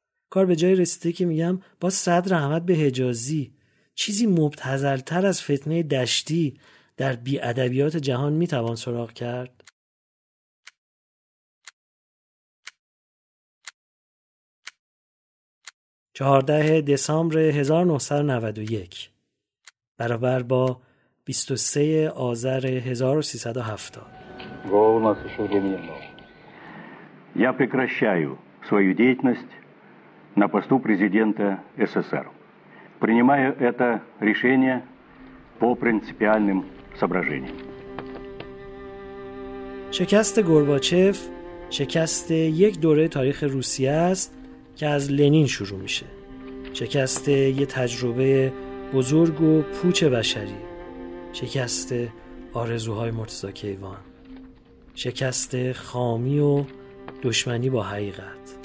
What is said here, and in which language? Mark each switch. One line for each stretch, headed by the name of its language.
Persian: کار به جای رسیده که میگم با صدر احمد به حجازی، چیزی مبتذل‌تر از فتنه دشتی در بی ادبیات جهان میتوان سراغ کرد؟ چهارده دسامبر 1991 برابر با 23 آذر 1370.
Russian: Гол нас ещё временно. Я прекращаю свою деятельность на посту президента СССР. Принимаю это решение по принципиальным соображениям.
Persian: شکست گورباچف شکست یک دوره تاریخ روسیه است که از لنین شروع میشه. شکست یه تجربه بزرگ و پوچ بشری، شکست آرزوهای مرتضی کیوان، شکست خامی و دشمنی با حقیقت.